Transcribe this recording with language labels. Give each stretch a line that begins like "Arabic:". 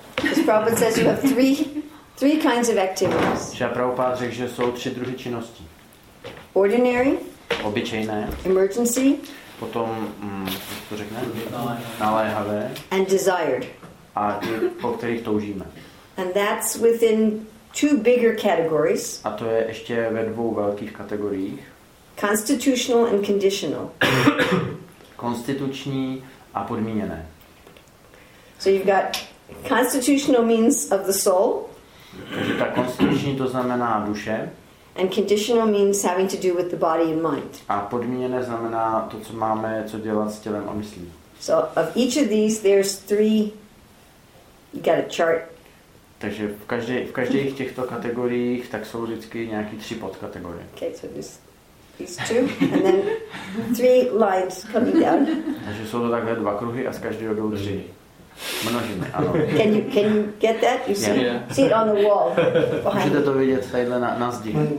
English: As Prabhupada says, you have three kinds of activities.
Czech: Že Prabhupada řekl, že jsou tři druhy činnosti.
English: Ordinary.
Czech: Obyčejné.
English: Emergency.
Czech: Potom, jak to řekne? Naléhavé.
English: And desired.
Czech: A ty, po kterých toužíme.
English: And that's within two bigger categories.
Czech: A to je ještě ve dvou velkých kategoriích.
English: Constitutional and conditional.
Czech: Konstituční a podmíněné.
English: So you've got constitutional means of the soul.
Czech: Takže ta konstituční to znamená duše.
English: And conditional means having to do with the body and mind.
Czech: A podmíněné znamená to, co máme, co dělat s tělem a myslí.
English: So of each of these, there's three. You got a chart.
Czech: Takže v každé z těchto kategoriích tak jsou vždycky nějaký tři podkategorie.
English: Okay, so these two, and then three lines coming down.
Czech: Takže jsou to takhle dva kruhy a z každého jdou tři. Množiny, ano.
English: Can you get that? You see, yeah. See it on the wall.
Czech: Můžete to vidět tadyhle na zdi.